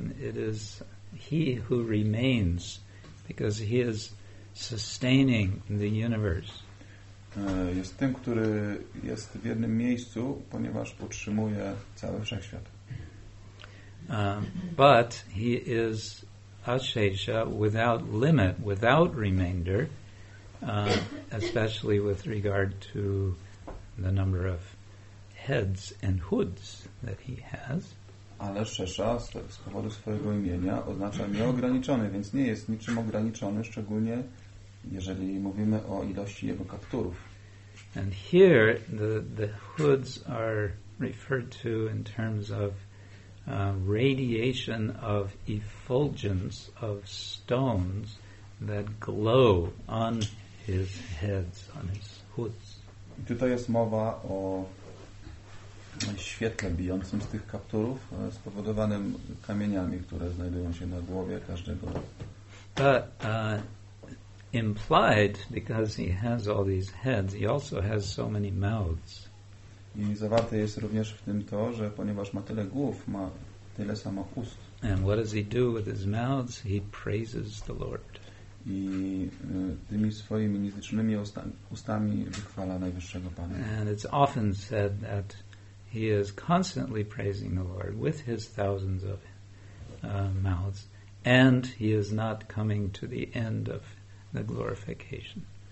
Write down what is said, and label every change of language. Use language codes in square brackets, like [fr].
[en] It is he who remains because he is sustaining the universe. [pl] Jest tym, który jest w jednym miejscu, ponieważ utrzymuje cały wszechświat. [en] But he is Ashesha without limit, without remainder, especially with regard to the number of heads and hoods that he has. [pl] Ale Shesha z powodu swojego imienia oznacza nieograniczony, więc nie jest niczym ograniczony, szczególnie jeżeli mówimy o ilości jego kapturów. [en] And here the hoods are referred to in terms of radiation of effulgence of stones that glow on his heads, on his hoods. [pl] Tutaj jest mowa o świetle bijącym z tych kapturów, spowodowanym kamieniami, które znajdują się na głowie każdego. [en] But implied, because he has all these heads, he also has so many mouths. [pl] I zawarte jest również w tym to, że ponieważ ma tyle głów, ma tyle samo ust. [en] And what does he do with his mouths? He praises the Lord. [pl] I tymi swoimi niezliczonymi ustami wychwala Najwyższego Pana. [en] And it's often said that he is constantly praising the Lord with his thousands of mouths, and he is not coming to the end of the glorification.